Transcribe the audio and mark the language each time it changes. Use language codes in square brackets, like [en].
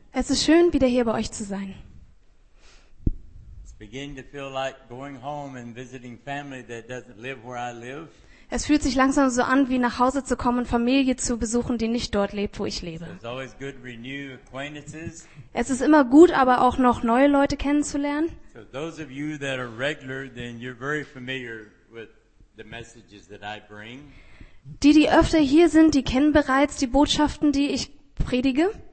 [de] Es ist schön, wieder hier bei euch zu sein. [en] It's beginning to feel like going home and visiting family that doesn't live where I live. [de] Es fühlt sich langsam so an, wie nach Hause zu kommen und Familie zu besuchen, die nicht dort lebt, wo ich lebe. [en] It's always good to renew acquaintances. [de] Es ist immer gut, aber auch noch neue Leute kennenzulernen. [en] So those of you that are regular, then you're very familiar with the messages that I bring. [de] Die, die öfter hier sind, die kennen bereits die Botschaften, die ich predige.